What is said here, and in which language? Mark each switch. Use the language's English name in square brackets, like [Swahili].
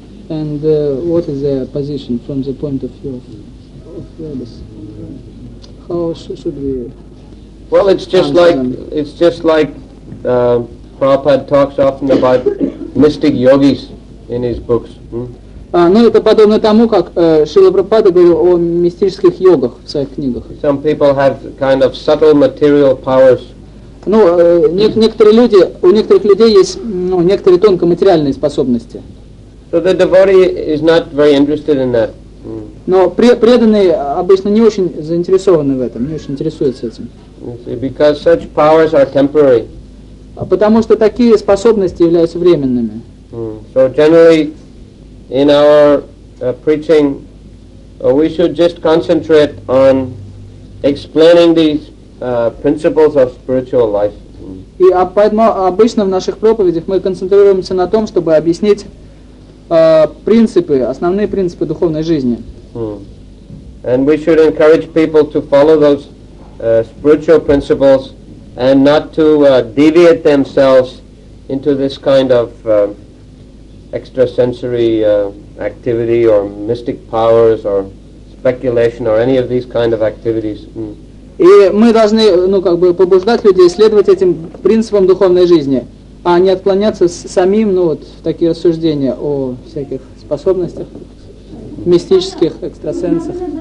[English] And what is their position from the point of view of Vedas? How should we? Well, it's just like Prabhupada talks often about mystic yogis in his books. [Russian] Ну это подобно тому, как Шрила Прабхупада говорил о мистических йогах в своих книгах. [English] Some people have kind of subtle material powers. [Russian] Ну некоторые люди, у некоторых людей есть некоторые тонкоматериальные способности. [English] So the devotee is not very interested in that. [Russian] Но преданный обычно не очень заинтересован в этом, не очень интересуется этим. [English] Because such powers are temporary. [Russian] Потому что такие способности являются временными. [English] So generally, in our preaching, we should just concentrate on explaining these principles of spiritual life. [Russian] И поэтому обычно в наших проповедях мы концентрируемся на том, чтобы объяснить принципы, основные принципы духовной жизни. [English] And we should encourage people to follow those spiritual principles and not to deviate themselves into this kind of extrasensory activity or mystic powers or speculation or any of these kind of activities. [Russian] И мы должны, ну как бы, побуждать людей следовать этим принципам духовной жизни, а не отклоняться самим, ну вот, в такие рассуждения о всяких способностях, мистических, экстрасенсах.